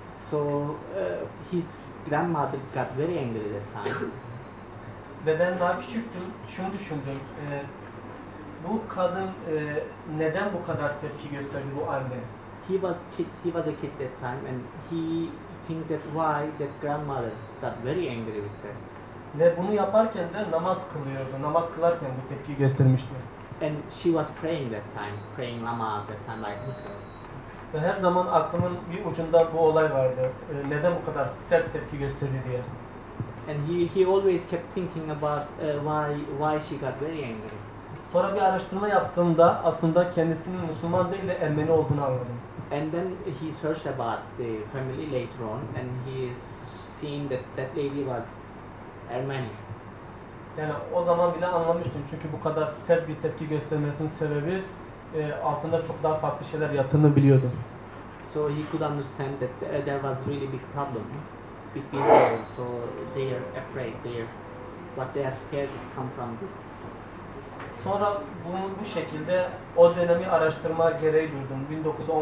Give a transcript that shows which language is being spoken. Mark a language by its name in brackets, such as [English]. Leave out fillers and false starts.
[English] So his grandmother got very angry at that time. [Turkish] Ve ben daha küçüktüm, şunu düşündüm. Bu kadın neden bu kadar tepki gösteriyor bu anne? [English] He was a kid that time and he think that why that grandmother got very angry with her. [Turkish] Ve bunu yaparken de namaz kılıyordu. Namaz kılarken bu tepki göstermişti. [English] And she was praying that time, praying namaz that time like this. [Turkish] Ve her zaman aklımın bir ucunda bu olay vardı. Neden bu kadar sert tepki gösterdi diye. [English] And he always kept thinking about why she got very angry. [Turkish] Sonra bir araştırma yaptığımda aslında kendisinin Müslüman değil de Ermeni olduğunu anladım. [English] And then he searched about the family later on and he seen that lady was Ermeni. [Turkish] Yani o zaman bile anlamıştım çünkü bu kadar sert bir tepki göstermesinin sebebi altında çok daha farklı şeyler yattığını biliyordum. [English] So he could understand that there was really big problem between them. So they are afraid, what they are scared is come from this. [Turkish] Sonra bunu bu şekilde o dönemi araştırma gereği duydum.